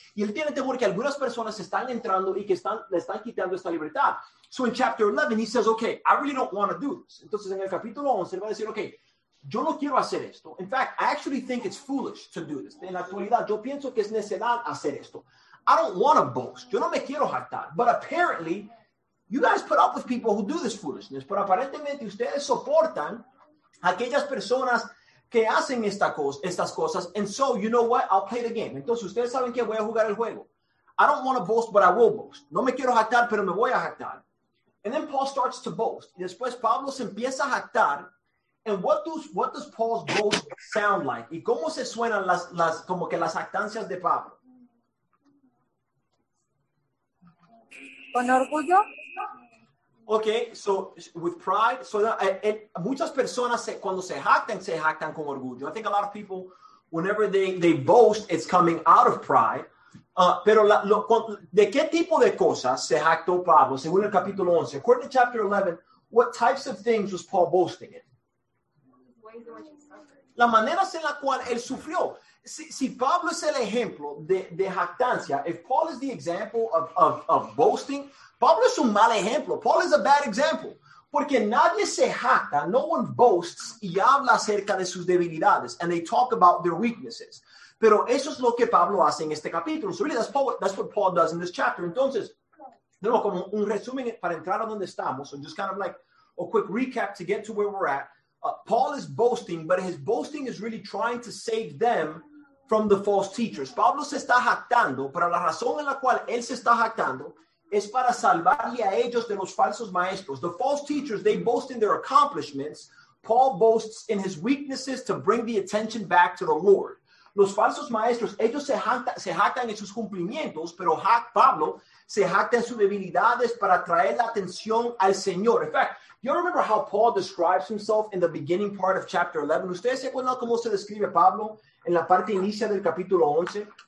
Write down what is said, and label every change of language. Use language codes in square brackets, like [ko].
[es] Y él tiene temor que algunas personas están entrando y que le están quitando esta libertad. [en] So in chapter 11, he says, okay, I really don't want to do this. [es] Entonces, en el capítulo 11, él va a decir, okay, yo no quiero hacer esto. [en] In fact, I actually think it's foolish to do this. [es] En la actualidad, yo pienso que es necedad hacer esto. [en] I don't want to boast. [es] Yo no me quiero jactar. [en] But apparently, you guys put up with people who do this foolishness. [es] Pero aparentemente, ustedes soportan aquellas personas que hacen estas cosas. [en] And so, you know what? I'll play the game. [es] Entonces, ustedes saben que voy a jugar el juego. [en] I don't want to boast, but I will boast. [es] No me quiero jactar, pero me voy a jactar. [en] And then Paul starts to boast. [es] Y después Pablo se empieza a jactar. [en] And what does Paul's boast sound like? [es] ¿Y cómo se suenan las jactancias de Pablo? Con orgullo. [en] Okay, so with pride. [es] So muchas personas cuando se jactan con orgullo. [en] I think a lot of people, whenever they boast, it's coming out of pride. [es] ¿De qué tipo de cosas se jactó Pablo? Según el capítulo 11. [en] According to chapter 11, what types of things was Paul boasting in? [es] La manera en la cual él sufrió. si Pablo es el ejemplo de jactancia, [en] if Paul is the example of boasting, [es] Pablo es un mal ejemplo. [en] Paul is a bad example. [es] Porque nadie se jacta, [en] no one boasts [es] y habla acerca de sus debilidades, [en] and they talk about their weaknesses. [es] Pero eso es lo que Pablo hace en este capítulo. [en] So really, that's what Paul does in this chapter. [es] Entonces, de nuevo, como un resumen para entrar a donde estamos, [en] so just kind of like a quick recap to get to where we're at. Paul is boasting, but his boasting is really trying to save them from the false teachers. [es] Pablo se está jactando, pero la razón en la cual él se está jactando es para salvarle a ellos de los falsos maestros. [en] The false teachers, they boast in their accomplishments. Paul boasts in his weaknesses to bring the attention back to the Lord. [es] Los falsos maestros, ellos se jactan en sus cumplimientos, pero Pablo se jacta en sus debilidades para traer la atención al Señor. [en] In fact, you remember how Paul describes himself in the beginning part of chapter 11? [es] ¿Ustedes se acuerdan cómo se describe Pablo en la parte inicial del capítulo 11?